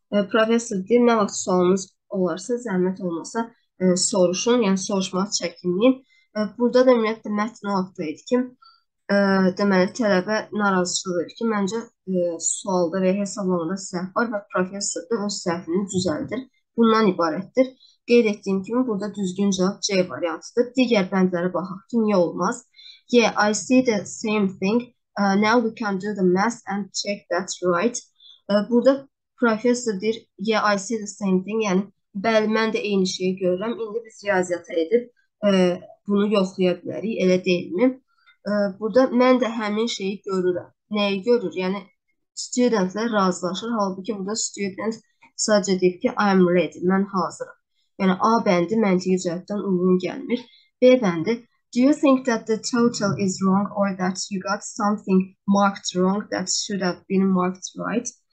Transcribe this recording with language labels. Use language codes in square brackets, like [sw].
[az] Professor deyir, nə vaxt sualınız olarsa, zəhmət olmasa soruşun, yəni soruşmağa çəkinməyin. Burada da ümumiyyətlə mətn o vaxt deyir ki, deməli tələbə narazıçılıq verir ki, məncə sualda və hesablamada səhv var və professor da öz səhvini düzəldir. Bundan ibarətdir. Qeyd etdiyim kimi burada düzgün cavab C variantıdır. Digər bəndlərə baxaq ki, niyə olmaz? [en] Yeah, I see the same thing. Now we can do the math and check that's right. [az] Burada professor deyir, [en] yeah, I see the same thing. [az] Yəni, bəli, mən də eyni şeyi görürəm. İndi biz riyaziyyata edib bunu yoxlaya bilərik, elə deyilmi? Burada mən də həmin şeyi görürəm. Nəyi görür? Yəni, studentlə razılaşır. Halbuki burada student sadəcə deyib ki, [en] I'm ready, [az] mən hazırım. Yəni A bəndi məntiqi cəhətdən uyğun gəlmir. B bəndi, [en] Do you think that the total is wrong or that you got something marked wrong that should have been marked right?